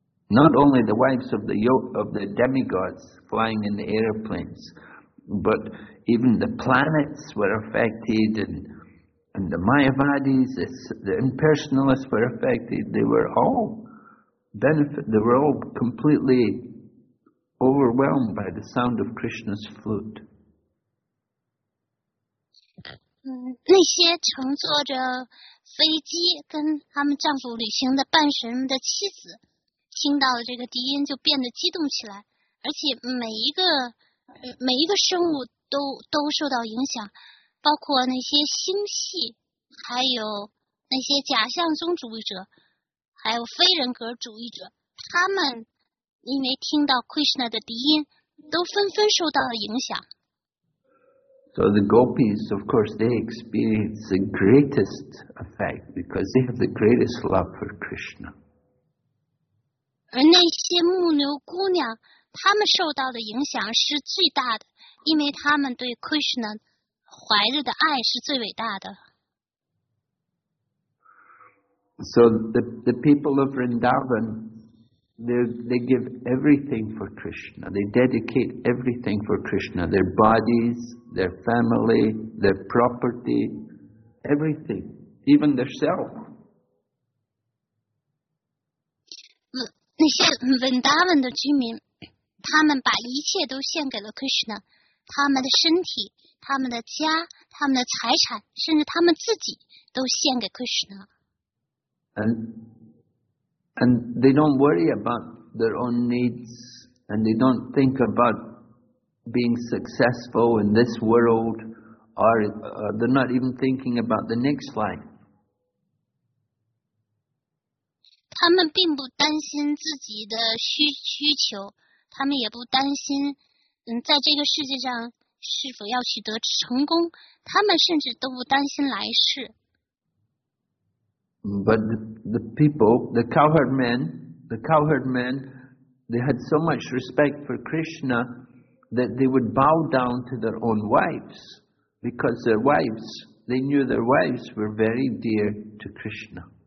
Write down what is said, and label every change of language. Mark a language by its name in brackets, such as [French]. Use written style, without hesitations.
[English] Not only the wives of the demigods flying in the airplanes, but even the planets were affected, and the Mayavadis, the impersonalists were affected. They were all they were all completely overwhelmed by the sound of Krishna's flute. [Chinese] 那些乘坐着飞机跟他们丈夫旅行的半神的妻子。听到了这个笛音就变得激动起来，而且每一个生物都受到影响，包括那些星系，还有那些假象宗主义者，还有非人格主义者，他们因为听到 Krishna 的笛音都纷纷受到了影响。 [English] So the gopis, of course, they experience the greatest effect because they have the greatest love for Krishna. [Chinese] 而那些牧牛姑娘，她们受到的影响是最大的，因为她们对 Krishna 怀着的爱是最伟大的。 [English] So the people of Vrindavan, they give everything for Krishna. They dedicate everything for Krishna. Their bodies, their family, their property, everything, even their self. [Chinese] 那些 Vrindavan 的居民，他们把一切都献给了 Krishna， 他们的身体、他们的家、他们的财产，甚至他们自己都献给 Krishna。 [English] And they don't worry about their own needs, and they don't think about being successful in this world, or they're not even thinking about the next life. [Chinese] 他们并不担心自己的需求，他们也不担心在这个世界上是否要取得成功，他们甚至都不担心来世。 [English] But the people, the cowherd men, they had so much respect for Krishna that they would bow down to their own wives, because their wives, they knew their wives were very dear to Krishna.